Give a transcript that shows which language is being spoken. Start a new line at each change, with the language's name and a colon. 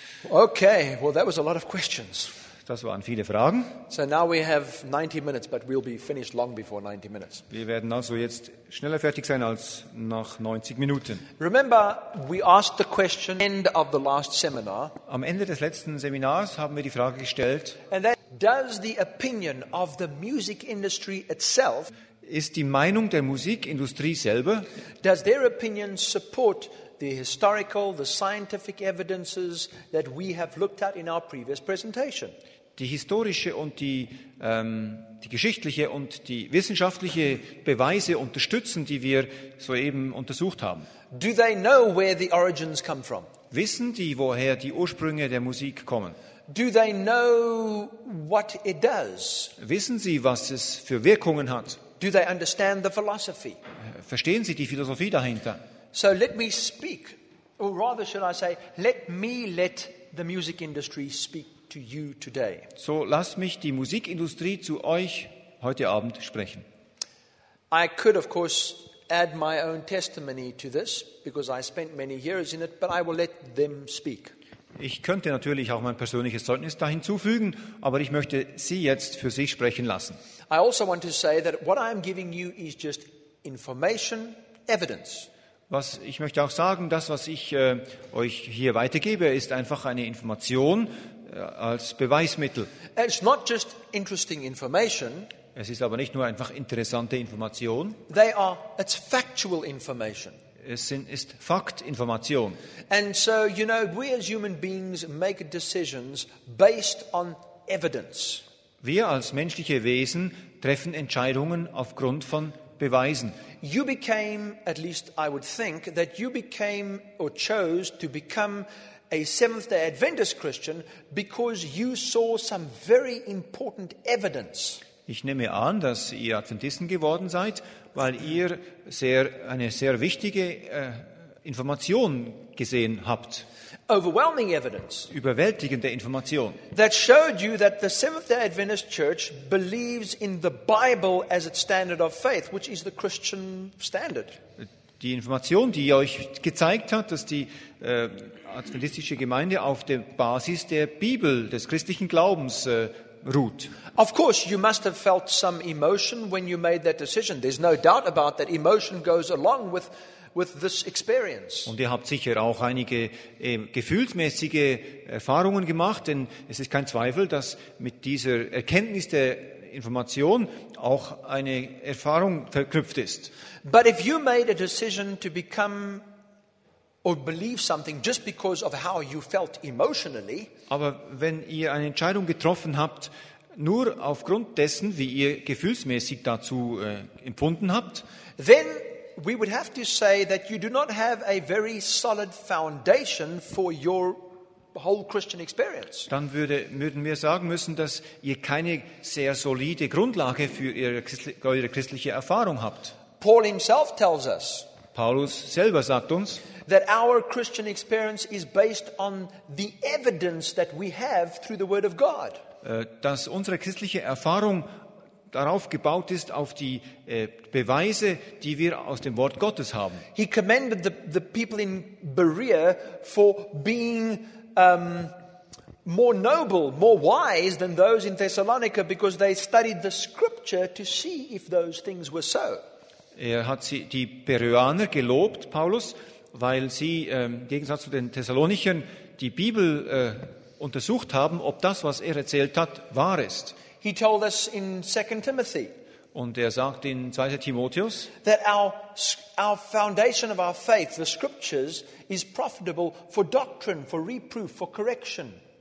English: Okay, well, that was a lot of questions.
German: Das waren viele Fragen.
English: So now we have 90 minutes, but we'll be finished long before 90 minutes.
German: Wir werden also jetzt schneller fertig sein als nach 90 Minuten.
English: Remember, we asked the question end of the last seminar.
German: Am Ende des letzten Seminars haben wir die Frage gestellt.
English: And that, does the opinion of the music industry itself?
German: Ist die Meinung der Musikindustrie selber?
English: Does their opinion support the historical, the scientific evidences that we have looked at in our previous presentation?
German: Die historische und die geschichtliche und die wissenschaftliche Beweise unterstützen, die wir soeben untersucht haben.
English: Do they know where the origins come from?
German: Wissen die, woher die Ursprünge der Musik kommen?
English: Do they know what it does?
German: Wissen sie, was es für Wirkungen hat?
English: Do they understand the philosophy?
German: Verstehen sie die Philosophie dahinter?
English: So let me speak, or rather should I say, let me let the music industry speak to you today.
German: So lasst mich die Musikindustrie zu euch heute Abend sprechen.
English: I could of course add my own testimony to this, because I spent many years in it, but I will let them speak.
German: Ich könnte natürlich auch mein persönliches Zeugnis da hinzufügen, aber ich möchte sie jetzt für sich sprechen lassen.
English: I also want to say that what I am giving you is just information, evidence.
German: Was ich möchte auch sagen, das, was ich euch hier weitergebe, ist einfach eine Information als Beweismittel.
English: It's not just interesting information.
German: Es ist aber nicht nur einfach interessante Information.
English: It's factual information.
German: Ist Faktinformation.
English: And so, you know, we as human beings make decisions based on evidence.
German: Wir als menschliche Wesen treffen Entscheidungen aufgrund von Beweisen.
English: You became, at least I would think, that you became or chose to become a Seventh-day Adventist Christian because you saw some very important evidence.
German: Ich nehme an, dass ihr Adventisten geworden seid, weil ihr eine sehr wichtige Information gesehen habt.
English: Overwhelming evidence.
German: Überwältigende Information.
English: That showed you that the Seventh-day Adventist Church believes in the Bible as its standard of faith, which is the Christian standard.
German: Die Information, die euch gezeigt hat, dass die adventistische Gemeinde auf der Basis der Bibel, des christlichen Glaubens, ruht.
English: Of course, you must have felt some emotion when you made that decision. There's no doubt about that. Emotion goes along with this experience.
German: Und ihr habt sicher auch einige gefühlsmäßige Erfahrungen gemacht, denn es ist kein Zweifel, dass mit dieser Erkenntnis der Information auch eine Erfahrung verknüpft ist.
English: But if you made a decision to become or believe something just because of how you felt emotionally,
German: aber wenn ihr eine Entscheidung getroffen habt, nur aufgrund dessen, wie ihr gefühlsmäßig dazu empfunden habt,
English: then we would have to say that you do not have a very solid foundation for your whole Christian experience.
German: Dann würden wir sagen müssen, dass ihr keine sehr solide Grundlage für eure christliche Erfahrung habt.
English: Paul himself tells us.
German: Paulus selber sagt uns,
English: that our Christian experience is based on the evidence that we have through the Word of God.
German: Dass unsere christliche Erfahrung darauf gebaut ist, auf die Beweise, die wir aus dem Wort Gottes haben.
English: He commended the people in Berea for being more noble, more wise than those in Thessalonica, because they studied the scripture to see if those things were so.
German: Er hat die Bereaner gelobt, Paulus, weil sie im Gegensatz zu den Thessalonichern die Bibel untersucht haben, ob das, was er erzählt hat, wahr ist.
English: He told us in 2 Timothy,
German: und er sagt in 2. Timotheus,
English: that our foundation of our faith, the scriptures, is profitable for doctrine, for reproof, for correction.